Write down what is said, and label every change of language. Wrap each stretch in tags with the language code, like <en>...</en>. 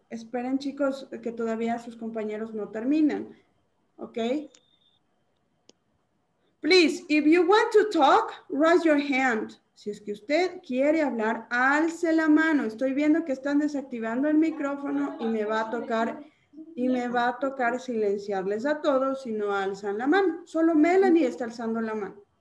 <es>Esperen, chicos, que todavía sus compañeros no terminan.</es> <en>Okay. Please, if you want to talk, raise your hand.</en> <es>Si es que usted quiere hablar, alce la mano. Estoy viendo que están desactivando el micrófono y me va a tocar silenciarles a todos si no alzan la mano. Solo Melanie está alzando la mano.</es>